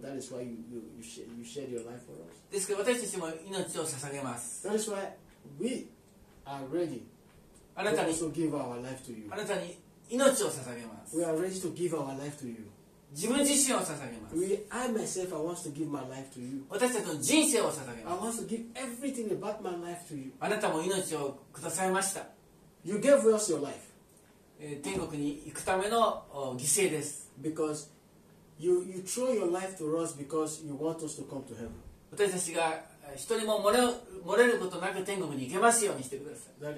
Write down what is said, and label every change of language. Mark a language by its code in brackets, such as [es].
[en] That is why you shed your life for us. [ja] ですから私たちも命を捧げます。 [en] That is why we are ready. [ja] あなたに [en] also give our life to you. [ja] あなたに命を捧げます。 [en] We are ready to give our life to you. [ja] 自分自身を捧げます。 [en] I myself, I want to give my life to you. [ja] 私たちの人生を捧げます。 [en] I want to give everything about my life to you. [ja] あなたも命をくださいました。 [en] You gave us your life. [ja] 天国に行くための犠牲です。 [en] Because you throw your life to us because you want us to come to heaven. [ja] 私たちが一人も漏れることなく天国に行けますようにしてください。